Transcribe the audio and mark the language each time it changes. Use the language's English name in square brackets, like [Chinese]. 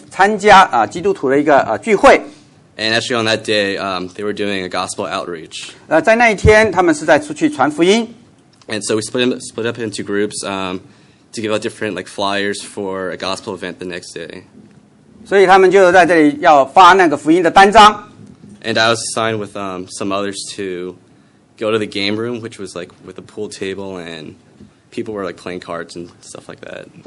[Chinese] 的确，这个在这里我也看到能够这样做到回到学校的时候，我就参加基督徒的一个聚会。 [English] And actually on that day, they were doing a gospel outreach. [Chinese] 在那一天，他们是在出去传福音。 [English] And so we split up into groups to give out different like flyers for a gospel event the next day. [Chinese] 所以他们就在这里要发那个福音的单张。 [English] And I was assigned with some others to go to the game room, which was like with a pool table and people were like playing cards and stuff like that.